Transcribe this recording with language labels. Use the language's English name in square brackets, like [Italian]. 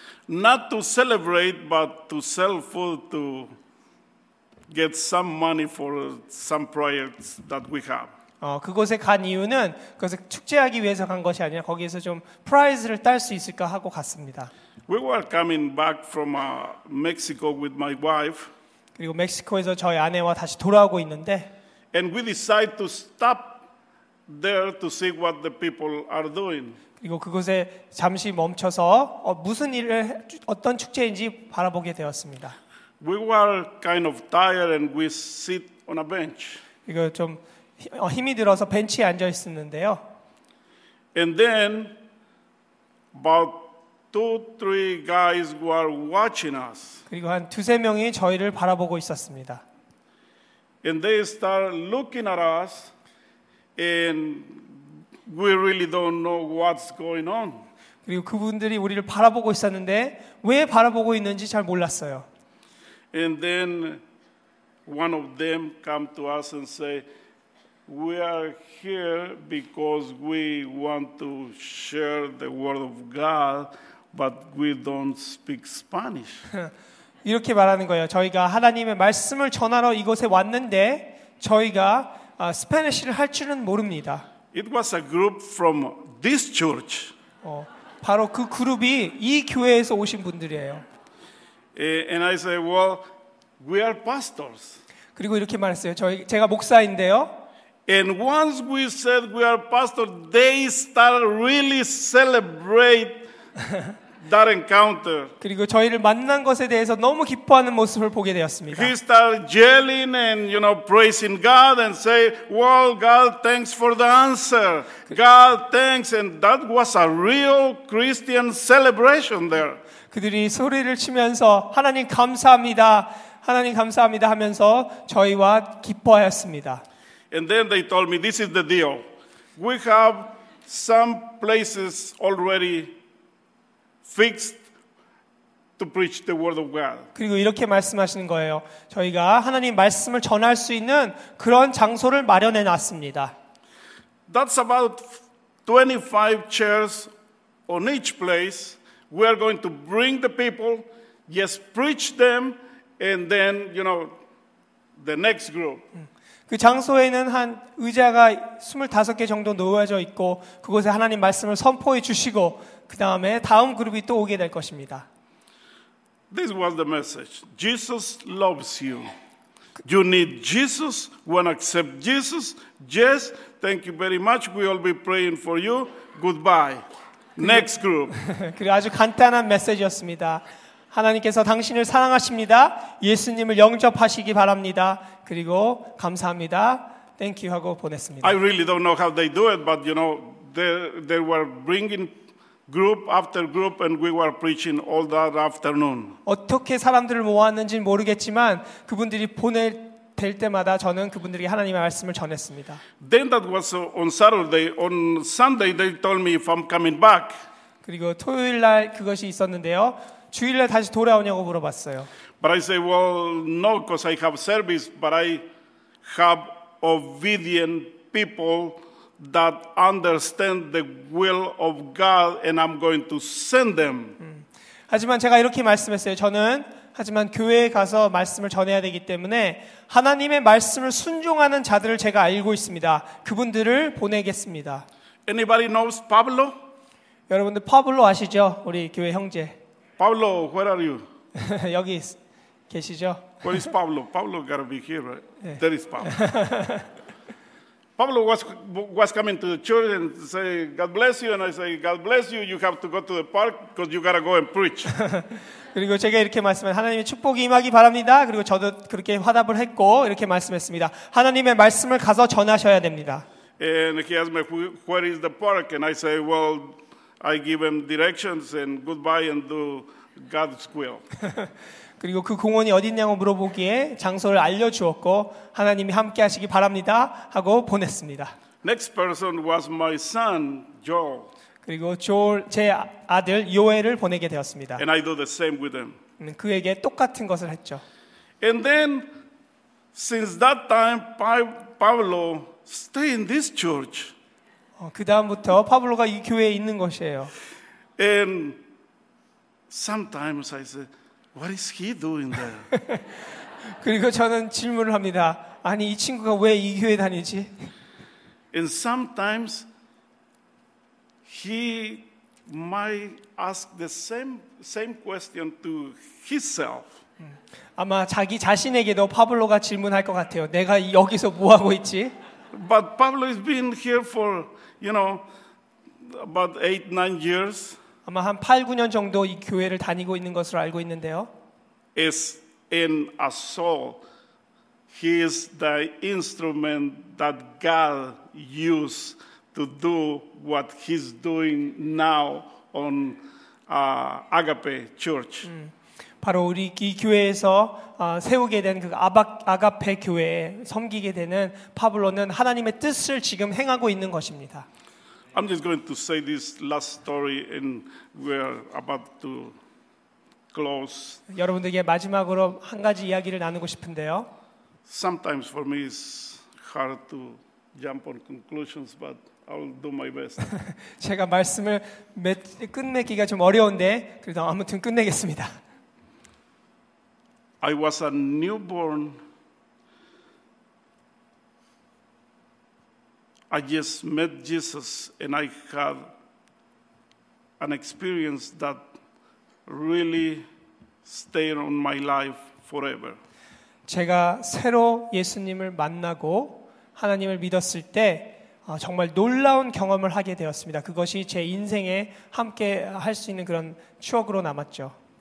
[English] Not to celebrate but to sell food to get some money for some projects that we have. [Korean] 그곳에 간 이유는 그것을 축제하기 위해서 간 것이 아니라 거기에서 좀 프라이즈를 딸 수 있을까 하고 갔습니다. [English] We were coming back from Mexico with my wife. [Korean] 그리고 멕시코에서 저희 아내와 다시 돌아오고 있는데 [English] and we decided to stop there to see what the people are doing. [Korean] 그리고 그곳에 잠시 멈춰서 무슨 일을 어떤 축제인지 바라보게 되었습니다. [English] We were kind of tired and we sit on a bench. [Korean] 이거 좀 힘이 들어서 벤치에 앉아 있었는데요. [English] And then about two, three guys were watching us. [Korean] 그리고 한 두세 명이 저희를 바라보고 있었습니다. [English] And they start looking at us and we really don't know what's going on. [Korean] 그리고 그분들이 우리를 바라보고 있었는데 왜 바라보고 있는지 잘 몰랐어요. [English] And then one of them come to us and say We are here because we want to share the word of God, but we don't speak Spanish. [Korean] 이렇게 말하는 거예요. 저희가 하나님의 말씀을 전하러 이곳에 왔는데 저희가 스페니쉬를 할 줄은 모릅니다. [English] It was a group from this church. [Korean] 바로 그 그룹이 이 교회에서 오신 분들이에요. [English] And I said, "Well, we are pastors." [Korean] 그리고 이렇게 말했어요. 제가 목사인데요. [English] And once we said we are pastor, they started really celebrate that encounter. [Korean] 그리고 저희를 만난 것에 대해서 너무 기뻐하는 모습을 보게 되었습니다. [English] He started yelling and you know praising God and say, "Well, God, thanks for the answer. God, thanks." And that was a real Christian celebration there. [Korean] 그들이 소리를 치면서 하나님 감사합니다, 하나님 감사합니다 하면서 저희와 기뻐하였습니다. [English] And then they told me, this is the deal. We have some places already fixed to preach the word of God. [Korean] 그리고 이렇게 말씀하시는 거예요. 저희가 하나님 말씀을 전할 수 있는 그런 장소를 마련해 놨습니다. [English] That's about 25 chairs on each place. We are going to bring the people, yes, preach them, and then, you know, the next group. [Korean] 그 장소에는 한 의자가 25개 정도 놓여져 있고 그곳에 하나님 말씀을 선포해 주시고 그 다음에 다음 그룹이 또 오게 될 것입니다. [English] This was the message. Jesus loves you. You need Jesus. Want to accept Jesus? Yes. Thank you very much. We will be praying for you. Goodbye. Next group. [Korean] 그리고 아주 간단한 메시지였습니다. 하나님께서 당신을 사랑하십니다. 예수님을 영접하시기 바랍니다. 그리고 감사합니다. [English] Thank you [Korean] 하고 보냈습니다. [English] I really don't know how they do it, but you know, they were bringing group after group, and we were preaching all that afternoon. [Korean] 어떻게 사람들을 모았는지는 모르겠지만 그분들이 보낼 될 때마다 저는 그분들에게 하나님의 말씀을 전했습니다. [English] Then that was on Saturday. On Sunday, they told me if I'm coming back. [Korean] 그리고 토요일 날 그것이 있었는데요. 주일날 다시 돌아오냐고 물어봤어요. [English] But I say, well, no, because I have service, but I have obedient people that understand the will of God, and I'm going to send them. [Korean] 하지만 제가 이렇게 말씀했어요. 저는 하지만 교회에 가서 말씀을 전해야 되기 때문에 하나님의 말씀을 순종하는 자들을 제가 알고 있습니다. 그분들을 보내겠습니다. [English] Anybody knows Pablo? [Korean] 여러분들 파블로 아시죠? 우리 교회 형제. [English] Pablo, where are you? [Korean] 여기 계시죠? [English] Where is Pablo? Pablo gotta be here, right? [Korean] 네. [English] There is Pablo. Pablo was coming to the church and say, God bless you. And I say, God bless you. You have to go to the park because you gotta go and preach. [Korean] 그리고 제가 이렇게 말씀을 하나님의 축복이 임하기 바랍니다. 그리고 저도 그렇게 화답을 했고 이렇게 말씀했습니다. 하나님의 말씀을 가서 전하셔야 됩니다. [English] And he asked me, where is the park? And I say, well, I give him directions and goodbye and do God's will. [Korean] 그리고 그 공원이 어디 있냐고 물어보기에 장소를 알려 주었고 하나님이 함께 하시기 바랍니다 하고 보냈습니다. [English] Next person was my son, Joel. [Korean] 그리고 조엘 제 아들 요엘을 보내게 되었습니다. [English] And I do the same with them. [Korean] 그에게 똑같은 것을 했죠. [English] And then since that time Pablo stay in this church. [Korean] 그다음부터 파블로가 이 교회에 있는 것이에요. [English] And sometimes I say what is he doing there? [Korean] 그리고 저는 질문을 합니다. 아니 이 친구가 왜 이 교회 다니지? [English] And sometimes he might ask the same question to himself. [Korean] 아마 자기 자신에게도 파블로가 질문할 것 같아요. 내가 여기서 뭐 하고 있지? [English] But Pablo has been here for, you know, about 8-9 years. [Korean] 아마 한 8-9년 정도 이 교회를 다니고 있는 것을 알고 있는데요. [English] Is in a soul. He is the instrument that God used to do what he's doing now on Agape Church. [Korean] 바로 우리 이 교회에서 세우게 된 그 아가페 교회에 섬기게 되는 파블로는 하나님의 뜻을 지금 행하고 있는 것입니다. [English] I'm just going to say this last story and we're about to close. [Korean] 여러분들에게 마지막으로 한 가지 이야기를 나누고 싶은데요. [English] Sometimes for me it's hard to jump on conclusions, but I'll do my best. [Korean] 제가 말씀을 끝내기가 좀 어려운데 그래도 아무튼 끝내겠습니다. [English] I was a newborn. I just met Jesus and I had an experience that really stayed on my life forever. [Korean] 제가 새로 예수님을 만나고 하나님을 믿었을 때 정말 놀라운 경험을 하게 되었습니다. 그것이 제 인생에 함께 할 수 있는 그런 추억으로 남았죠.